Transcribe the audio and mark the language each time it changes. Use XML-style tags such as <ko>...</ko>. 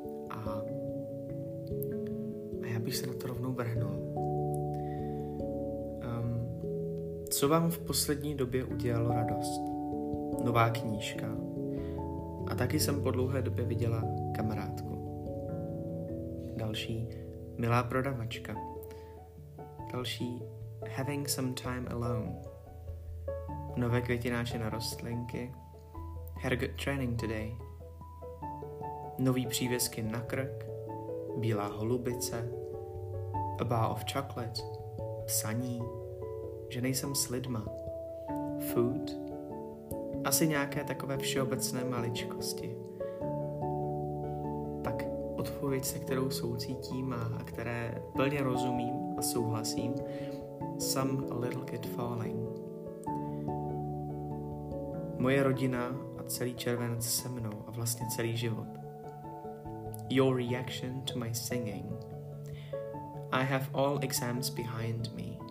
<cs>A já bych se na to rovnou vrhnul. Co vám v poslední době udělalo radost? Nová knížka. A taky jsem po dlouhé době viděla kamarádku. Další, milá prodavačka. Další,</cs> <en>having some time alone.</en> <cs>Nové květináče na rostlinky.</cs> <en>Had a good training today.</en> <cs>Nový přívěsky na krk. Bílá holubice.</cs> <en>A bar of chocolate.</en> <cs>Psaní. Že nejsem s lidma.</cs> <en>Food.</en> <cs>Asi nějaké takové všeobecné maličkosti. Pak odpověď, se kterou soucítím a které plně rozumím a souhlasím.</cs> <en>Some little kid falling.</en> <cs>Moje rodina a celý červenec se mnou a vlastně celý život.</cs> <en>Your reaction to my singing. I have all exams behind me.</en>